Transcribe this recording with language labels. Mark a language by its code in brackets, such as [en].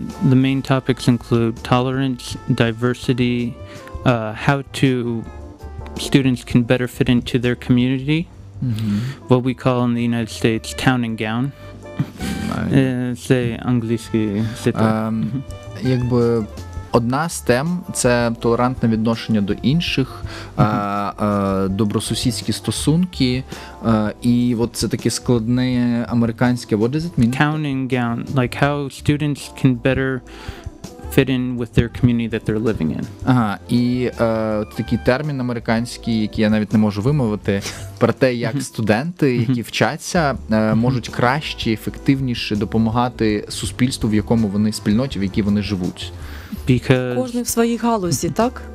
[en] The main topics include tolerance, diversity, how to students can better fit into their community, what we call in the United States town and gown. [uk] Це англійський цитат. Якби одна з тем – це толерантне відношення до інших, добросусідські стосунки, і от це таке складне американське, [en] what does it mean? Town and gown, like how students can better fit in with their community that they're living in. [uk] Ага, і такий термін американський, який я навіть не можу вимовити, про те, як студенти, які вчаться, можуть краще, ефективніше допомагати суспільству, в якому вони, спільноті, в якій вони живуть. [en] Because [uk] кожен в своїй галузі, так?